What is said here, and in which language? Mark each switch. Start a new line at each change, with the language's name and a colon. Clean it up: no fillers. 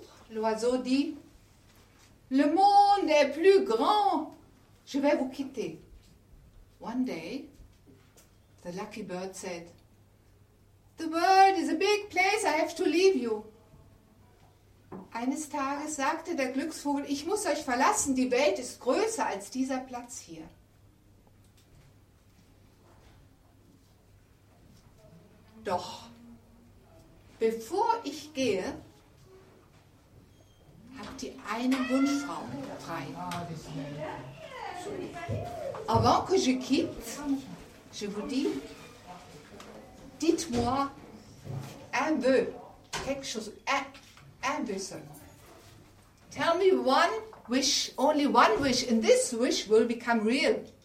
French: L'oiseau dit, le monde est plus grand. Je vais vous quitter.
English: One day, the lucky bird said, the world is a big place, I have to leave you.
German: Eines Tages sagte der Glücksvogel, ich muss euch verlassen, die Welt ist größer als dieser Platz hier. Doch, bevor ich gehe, habt ihr einen Wunsch frei?
French: Avant que je quitte, je vous dis, dites-moi un vœu, quelque chose, un vœu seulement.
English: Tell me one wish, only one wish, and this wish will become real.